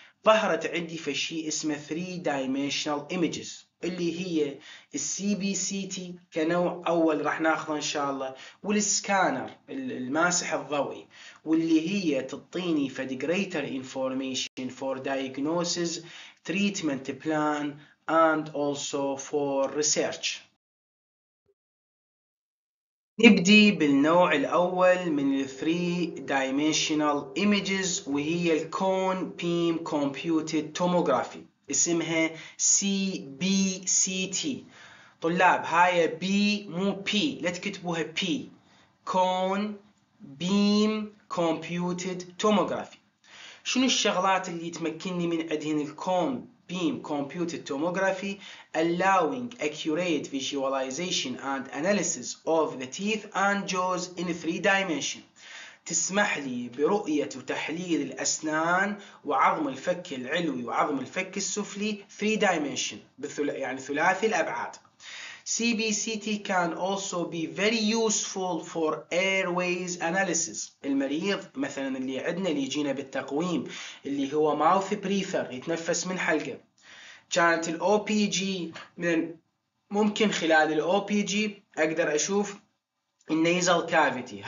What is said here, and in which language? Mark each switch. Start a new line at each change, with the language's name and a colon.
Arabic: ظهرت عندي في شيء اسمه 3 dimensional images اللي هي السي بي سي تي كنوع اول راح ناخذه ان شاء الله، والسكانر الماسح الضوئي واللي هي تعطيني فد
English: greater information for diagnosis treatment plan and also for research.
Arabic: نبدي بالنوع الأول من الـ 3-Dimensional Images وهي الـ Cone Beam Computed Tomography اسمها CBCT. طلاب هاي B مو P، لا تكتبوها P، Cone Beam Computed Tomography. شنو الشغلات اللي تمكنني من عدهن
English: الـ Cone Beam Computed Tomography allowing accurate visualization and analysis of the teeth and jaws in three dimension.
Arabic: تسمح لي برؤية وتحليل الأسنان وعظم الفك العلوي وعظم الفك السفلي three dimension يعني ثلاثي الأبعاد.
English: CBCT can also be very useful for airways analysis.
Arabic: المريض مثلا اللي عندنا اللي يجينا بالتقويم اللي هو mouth breather يتنفس من حلقه، كانت الـ OPG من ممكن خلال الـ OPG أقدر أشوف الـ nasal cavity.